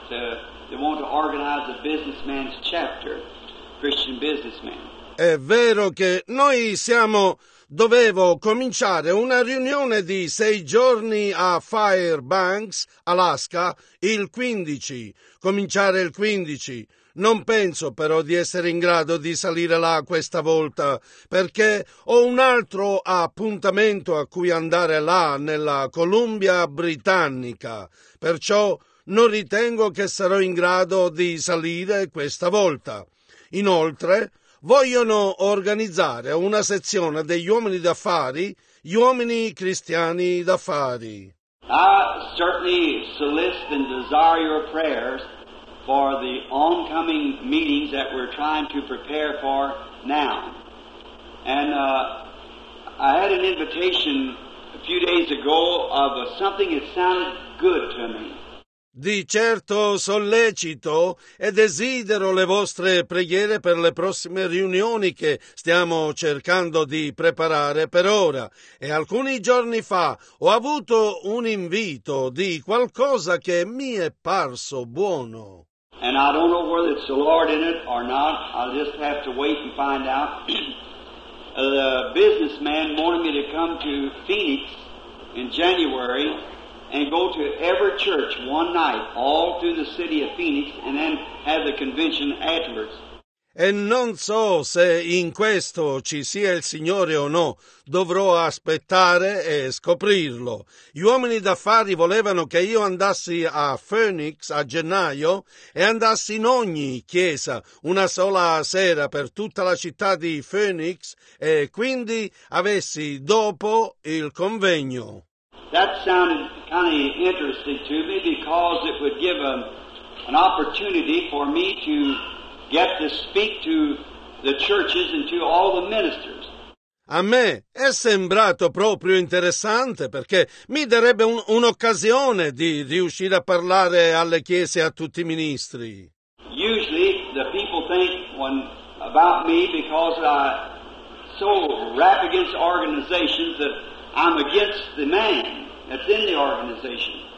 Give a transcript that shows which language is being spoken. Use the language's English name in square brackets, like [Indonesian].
[English] They want to organize a businessman's chapter, Christian businessman. [Italian] È vero che noi siamo... Dovevo cominciare una riunione di 6 giorni a Fairbanks, Alaska, il 15. Cominciare il 15. Non penso però di essere in grado di salire là questa volta, perché ho un altro appuntamento a cui andare là, nella Columbia Britannica. Perciò non ritengo che sarò in grado di salire questa volta. Inoltre... Vogliono organizzare una sezione degli uomini d'affari, gli uomini cristiani d'affari. [English] I certainly solicit and desire your prayers for the oncoming meetings that we're trying to prepare for now. And I had an invitation a few days ago of something that sounded good to me. [Italian] Di certo sollecito e desidero le vostre preghiere per le prossime riunioni che stiamo cercando di preparare per ora. E alcuni giorni fa ho avuto un invito di qualcosa che mi è parso buono. [English] And I don't know whether it's the Lord in it or not. I'll just have to wait and find out. The businessman wanted me to come to Phoenix in January and go to every church one night all through the city of Phoenix and then have the convention afterwards. [Italian] E non so se in questo ci sia il Signore o no. Dovrò aspettare e scoprirlo. Gli uomini d'affari volevano che io andassi a Phoenix a gennaio e andassi in ogni chiesa una sola sera per tutta la città di Phoenix e quindi avessi dopo il convegno. [English] That sounded kind of interesting to me because it would give an opportunity for me to get to speak to the churches and to all the ministers. [Italian] A me è sembrato proprio interessante perché mi darebbe un'occasione di riuscire a parlare alle chiese e a tutti i ministri. [English] Usually the people think one about me because I so rap against organizations that I'm against the man that's in the organization.